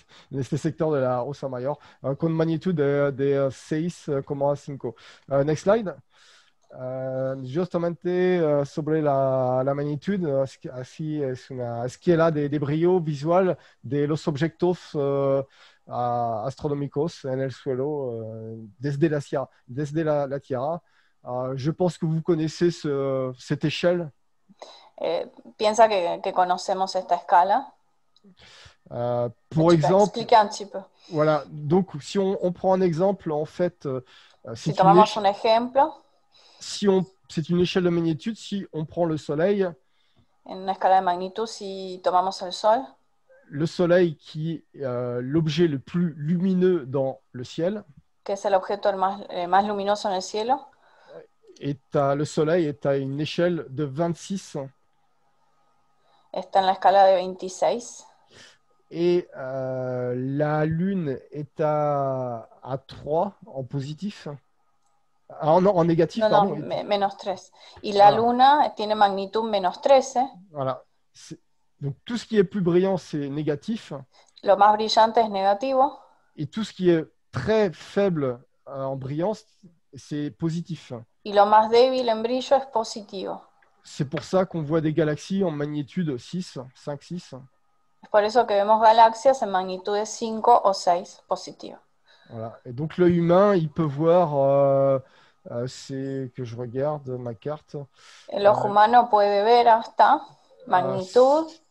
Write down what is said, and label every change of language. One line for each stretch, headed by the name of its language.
Spanish: En este sector de la Osa Mayor, con magnitud de 6,5.
English: Next slide.
Spanish: Justamente sobre la magnitud, así es una esquela de brillo visual de los objetos astronómicos en el suelo desde la Tierra.
French: Je pense que vous connaissez cette échelle.
Spanish: Piensa que conocemos esta escala. Por ejemplo, explica un poco.
French: Voilà. Donc, si on prend un exemple, en fait,
Spanish: si tomamos un ejemplo,
French: c'est une échelle de magnitude. Si on prend le Soleil,
Spanish: en una escala de magnitud, si tomamos el Sol,
French: le Soleil qui est l'objet le plus lumineux dans le ciel,
Spanish: que es el objeto más luminoso en el cielo.
French: Le Soleil est à une échelle de 26.
Spanish: Está en la escala de 26.
French: Et la Lune est à 3 en positif. Ah, non, en négatif, non, pardon. Non,
Spanish: menos 3.
French: Et
Spanish: la Luna tiene magnitud menos 13.
French: Voilà. Donc tout ce qui est plus brillant, c'est négatif.
Spanish: Lo más brillante es negativo.
French: Et tout ce qui est très faible en brillance, c'est positif.
Spanish: Y lo más débil en brillo es positivo.
French: C'est pour ça qu'on voit des galaxies en magnitude 6, 5, 6.
Spanish: Es por eso que vemos galaxias en magnitud de 5 o 6 positivo.
French: Voilà. Et donc l'œil humain, il peut voir, c'est que je regarde ma carte.
Spanish: El ojo humano puede ver hasta magnitud.